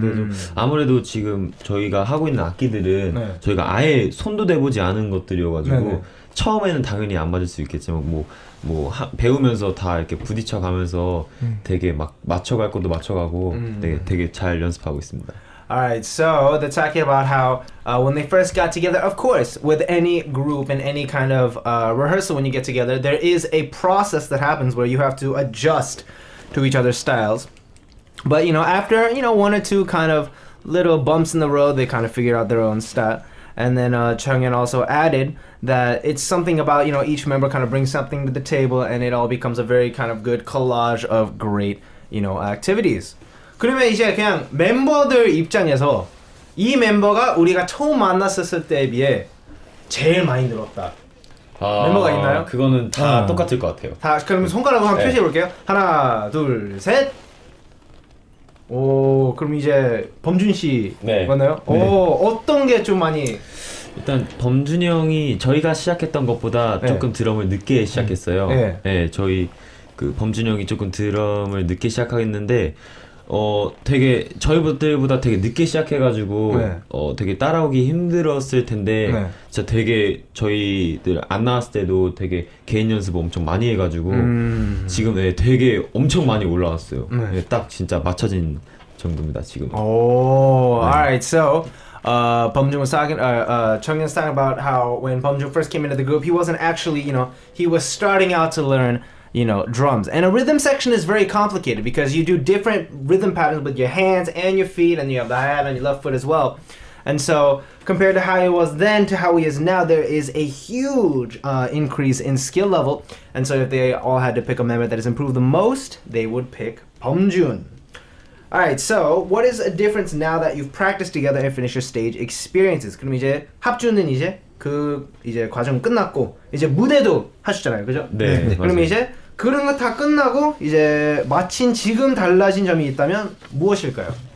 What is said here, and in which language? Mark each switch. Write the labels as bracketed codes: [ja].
[ko] 근데 아무래도 지금 저희가 하고 있는 악기들은 네. 저희가 아예 손도 대보지 않은 것들이어가지고 처음에는 당연히 안 맞을 수 있겠지만 배우면서 다 이렇게 부딪혀 가면서 되게 막 맞춰갈 것도 맞춰가고 되게 잘 연습하고 있습니다. [en] Alright, so they're talking about how when they first got together, of course, with any group and any kind of rehearsal when you get together, there is a process that happens where you have to adjust to each other's styles. But you know, after you know one or two kind of little bumps in the road, they kind of figure out their own style. And then Chungyeon also added that it's something about, you know, each member kind of brings something to the table and it all becomes a very kind of good collage of great, you know, activities. [ko] 그러면 이제 그냥 멤버들 입장에서 이 멤버가 우리가 처음 만났었을 때에 비해 제일 많이 늘었다. 아, 멤버가 있나요? 그거는 다 똑같을 것 같아요. 다 그러면 손가락으로 한번 표시해 볼게요. 하나, 둘, 셋. 오, 그럼 이제 범준 씨 네. 맞나요? 네. 오, 어떤 게 좀 많이 일단 범준이 형이 저희가 시작했던 것보다 네. 조금 드럼을 늦게 시작했어요. 네. 네, 저희 그 범준이 형이 조금 드럼을 늦게 시작했는데 되게 저희들보다 되게 늦게 시작해가지고 네. 되게 따라오기 힘들었을 텐데 네. 진짜 되게 저희들 안 나왔을 때도 되게 개인 연습 엄청 많이 해가지고 지금 네, 되게 엄청 많이 올라왔어요. 네. 네, 딱 진짜 맞춰진 정도입니다 지금. 오, 네. [en] Alright, so Bumjoon was talking, Chungyeon was talking about how when Bumjoon first came into the group, he wasn't actually, you know, he was starting out to learn, you know, drums. And a rhythm section is very complicated because you do different rhythm patterns with your hands and your feet, and you have the hi-hat on your left foot as well. And so, compared to how he was then to how he is now, there is a huge increase in skill level. And so, if they all had to pick a member that has improved the most, they would pick Bumjoon. Alright, so, what is a difference now that you've practiced together and finished your stage experiences? [ko] 그럼 이제 합주는 이제 그 이제 과정 끝났고 이제 무대도 하셨잖아요, 그죠? 네, 네. 그럼 이제 그런 거 다 끝나고 이제 마친 지금 달라진 점이 있다면 무엇일까요?